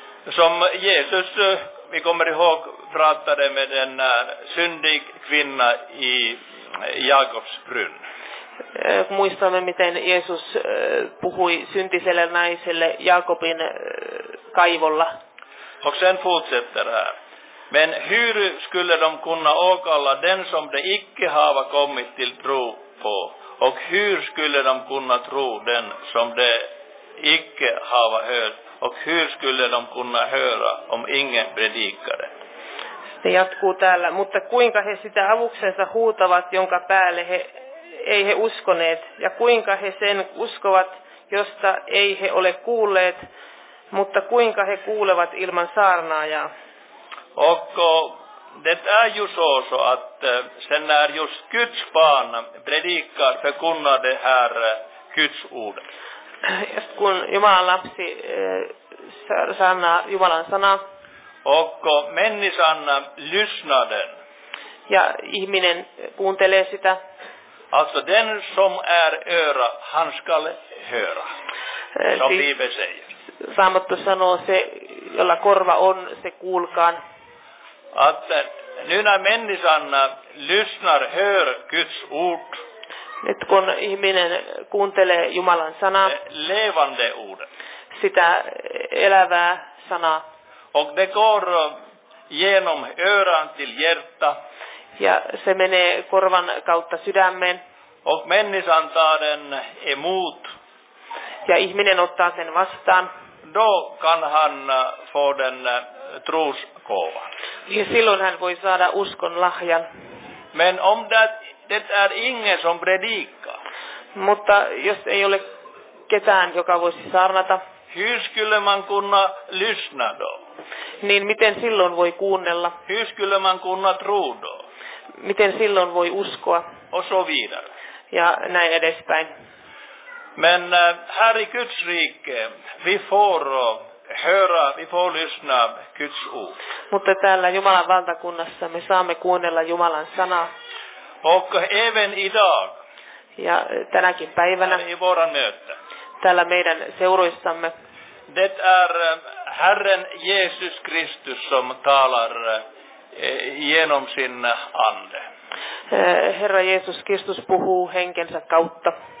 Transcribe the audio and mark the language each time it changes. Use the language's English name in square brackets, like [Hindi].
[Swedish] Som Jesus, vi kommer ihåg, pratade med den syndig kvinna i Jakobs brunn. [Finnish] Muistamme, miten Jeesus puhui syntiselle naiselle Jakobin kaivolla. [Swedish] Och sen fortsätter det här. Men hur skulle de kunna åkalla den som de icke hava kommit till tro på? Och hur skulle de kunna tro den som de icke hava hört? Och hur skulle de kunna höra om ingen predikade? [Finnish] Se jatkuu täällä. Mutta kuinka he sitä avuksensa huutavat, jonka päälle he uskoneet? Ja kuinka he sen uskovat, josta ei he ole kuulleet? Mutta kuinka he kuulevat ilman saarnaajaa? [Swedish] Okko, det är ju så att sen när just Guds barn predikar förkunnar det här Guds ordet. [Finnish] Kun Jumalan lapsi sanaa Jumalan sanaa. [Swedish] Okko, människan lyssnar den. [Finnish] Ja ihminen kuuntelee sitä. [Swedish] Alltså den som är öra, han skall höra. Som Bibel säger. [Finnish] Raamattu sanoo, se jolla korva on, se kuulkaan. [Swedish] Att nu när människan lyssnar, hör Guds ord. [Finnish] Että kun ihminen kuuntelee Jumalan sanaa. [Swedish] Levande ord. [Finnish] Sitä elävää sanaa. [Swedish] Och det går genom öran till hjärta. [Finnish] Ja se menee korvan kautta sydämeen. [Swedish] Och människan tar den emot. [Finnish] Ja ihminen ottaa sen vastaan. [Swedish] Då kan han få den trosgåvan. [Finnish] Ja silloin hän voi saada uskon lahjan. [Swedish] Men om det är ingen som predikar. [Finnish] Mutta jos ei ole ketään, joka voisi saarnata. [Swedish] Hur skulle man kunna lyssna då? [Finnish] Niin miten silloin voi kuunnella? [Swedish] Hur skulle man kunna tro då? [Finnish] Miten silloin voi uskoa? [Swedish] Och så vidare. [Finnish] Ja näin edespäin. [Swedish] Men här i Guds rike, vi får höra, vi får lyssna Guds ord. [Finnish] Mutta täällä Jumalan valtakunnassa me saamme kuunnella Jumalan sanaa. [Swedish] Och även idag. [Finnish] Ja tänäkin päivänä. [Swedish] I våran möte. [Finnish] Täällä meidän seuroissamme. [Swedish] Det är Herren Jesus Kristus som talar genom sin ande. [Finnish] Herra Jeesus Kristus puhuu henkensä kautta.